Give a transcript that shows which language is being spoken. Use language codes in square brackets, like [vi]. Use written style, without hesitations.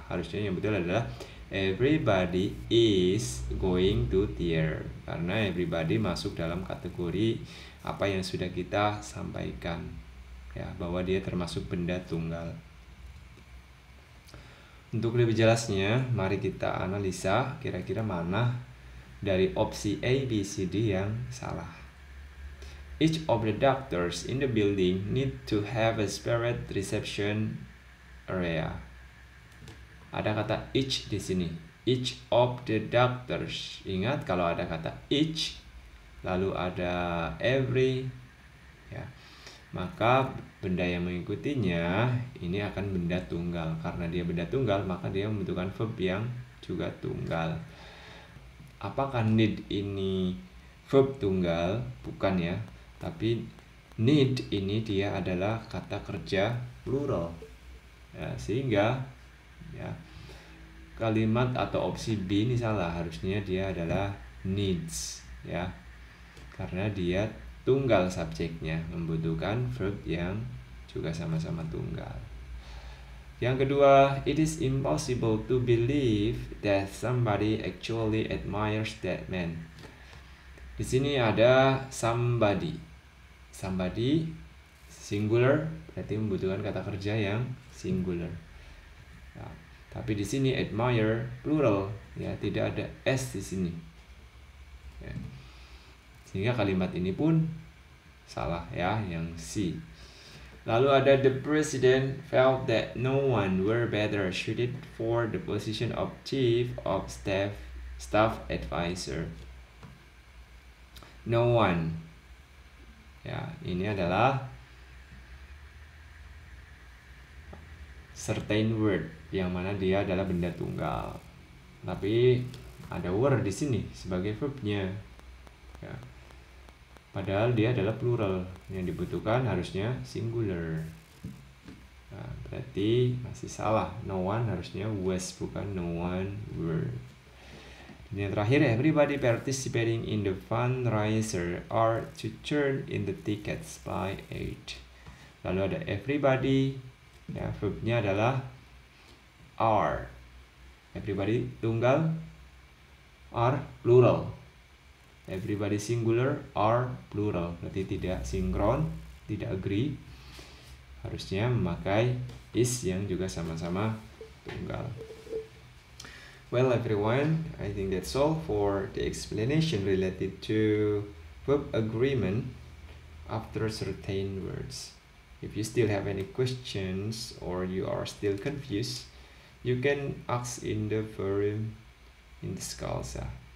[id] Harusnya yang betul adalah [en] everybody is going to theater, [id] karena everybody masuk dalam kategori apa yang sudah kita sampaikan, ya, bahwa dia termasuk benda tunggal. Untuk lebih jelasnya, mari kita analisa kira-kira mana dari opsi A, B, C, D yang salah. [en] Each of the doctors in the building need to have a separate reception area. [id] Ada kata each di sini. [en] Each of the doctors. [id] Ingat kalau ada kata each, lalu ada every, ya, maka benda yang mengikutinya ini akan benda tunggal. Karena dia benda tunggal, maka dia membutuhkan verb yang juga tunggal. Apakah need ini verb tunggal? Bukan, ya. Tapi need ini dia adalah kata kerja plural, ya, sehingga ya, kalimat atau opsi B ini salah. Harusnya dia adalah needs, ya, karena dia tunggal subjeknya, membutuhkan verb yang juga sama-sama tunggal. Yang kedua, [en] it is impossible to believe that somebody actually admires that man. [id] Di sini ada somebody. Somebody singular, berarti membutuhkan kata kerja yang singular. Ya. Tapi di sini admire plural, ya, tidak ada s di sini. Ya. Sehingga kalimat ini pun salah, ya, yang C. Lalu ada [en] the president felt that no one were better suited for the position of chief of staff advisor. No one. [id] Ya, ini adalah certain word yang mana dia adalah benda tunggal. Tapi ada word di sini sebagai verbnya. Ya. Padahal dia adalah plural. Yang dibutuhkan harusnya singular. Nah, berarti masih salah. [en] No one harusnya was, bukan no one were. [id] Dan yang terakhir, [en] everybody participating in the fundraiser are to turn in the tickets by 8. [id] Lalu ada everybody, ya, verbnya adalah are. Everybody tunggal, are plural. [en] Everybody singular, are plural. [id] Berarti tidak sinkron, tidak agree. Harusnya memakai is yang juga sama-sama tunggal. [en] Well everyone, I think that's all for the explanation related to verb agreement after certain words. If you still have any questions or you are still confused, you can ask in the forum in the Skalsa.